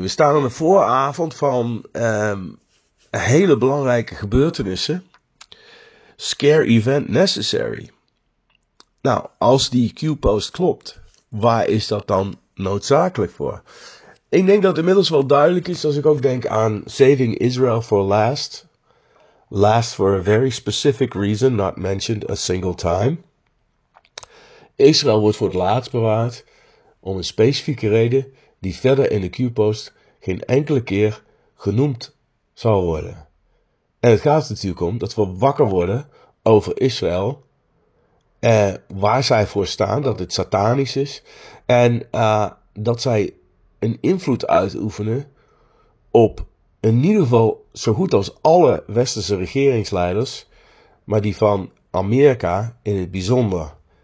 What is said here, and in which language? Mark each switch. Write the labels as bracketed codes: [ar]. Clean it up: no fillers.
[nl] We staan aan de vooravond van hele belangrijke gebeurtenissen. [en] Scare event necessary. [nl] Nou, als die Q-post klopt, waar is dat dan noodzakelijk voor? Ik denk dat het inmiddels wel duidelijk is, als ik ook denk aan Saving Israel for Last. [en] Last for a very specific reason, not mentioned a single time. [nl] Israël wordt voor het laatst bewaard om een specifieke reden die verder in de Q-post geen enkele keer genoemd zal worden. En het gaat natuurlijk om dat we wakker worden over Israël en waar zij voor staan, dat het satanisch is en dat zij een invloed uitoefenen op in ieder geval zo goed als alle westerse regeringsleiders, maar die van Amerika in het bijzonder.